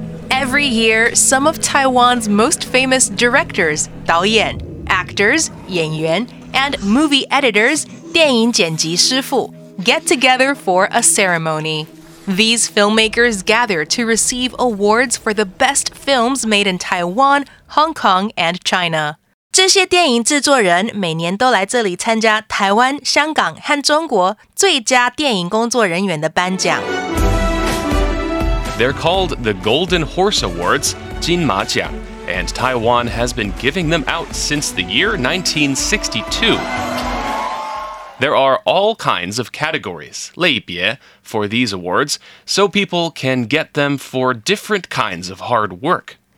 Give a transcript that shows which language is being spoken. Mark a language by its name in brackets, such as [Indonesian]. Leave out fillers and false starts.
[English] Every year, some of Taiwan's most famous directors, 导演, actors, 演员, and movie editors, 电影剪辑师傅, get together for a ceremony. These filmmakers gather to receive awards for the best films made in Taiwan, Hong Kong, and China. [Chinese] 这些电影制作人每年都来这里参加台湾、香港和中国最佳电影工作人员的颁奖。 [English] They're called the Golden Horse Awards, 金马奖, and Taiwan has been giving them out since the year 1962. There are all kinds of categories, 类别, for these awards, so people can get them for different kinds of hard work.